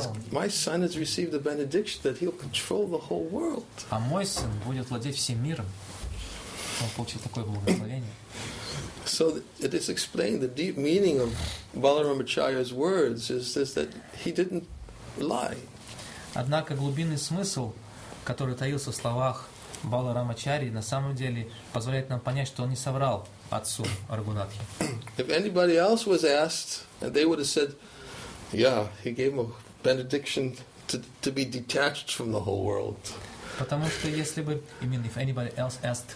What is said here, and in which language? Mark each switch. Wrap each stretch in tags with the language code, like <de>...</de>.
<en>My son has received the benediction that he'll control the whole world.</en> <ru>А мой сын будет владеть всем миром. Он получил такое благословение.</ru> <en>So it is explained the deep meaning of Balaram Acharya's words is this, that he didn't lie.</en> <ru>Однако глубинный смысл, который таился в словах Баларам Ачарьи, на самом деле позволяет нам понять, что он не соврал отцу Рагунатхи.</ru> <en>If anybody else was asked, they would have said, "Yeah, he gave him a benediction to be detached from the whole world."</en> <ru>Потому что если бы,</ru> <en>I mean, if anybody else asked,</en>